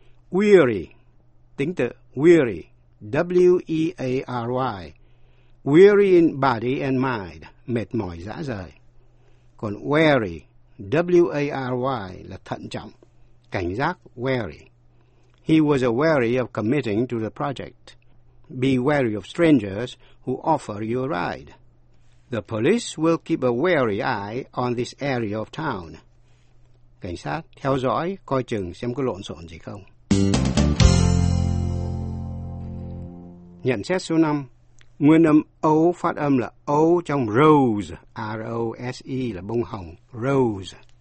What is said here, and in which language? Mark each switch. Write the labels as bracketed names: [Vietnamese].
[English] Weary, tính từ, weary, W-E-A-R-Y, weary in body and mind, [Vietnamese] mệt mỏi dã rời. Còn wary, W-A-R-Y, là thận trọng, cảnh giác, wary. [English] He was wary of committing to the project. Be wary of strangers who offer you a ride. The police will keep a wary eye on this area of town. [Vietnamese] Cảnh sát theo dõi, coi chừng xem có lộn xộn gì không. Nhận xét số 5. Nguyên âm O phát âm là O trong rose, R-O-S-E là bông hồng, rose.